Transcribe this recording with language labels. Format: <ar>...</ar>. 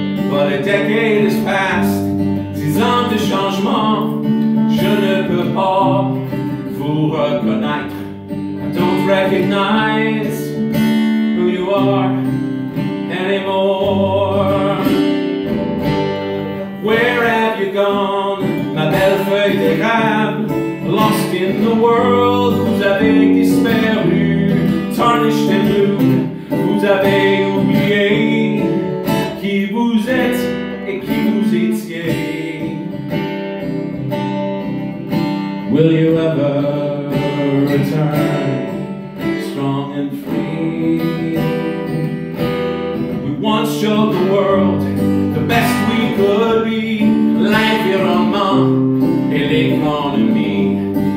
<en>But a decade has passed,</en> <fr>10 ans de changement, je ne peux pas vous reconnaître.</fr> <en>I don't recognize who you are anymore. Where have you gone,</en> <fr>ma belle feuille d'érable?</fr> <en>Lost in the world,</en> <fr>vous avez disparu.</fr> <en>Tarnished in blue,</en> <fr>vous avez oublié qui vous êtes et qui vous étiez.</fr> <en>Will you ever return strong and free? We once showed the world the best we could be. Life here on Mars,</en> <fr>et l'économie.</fr>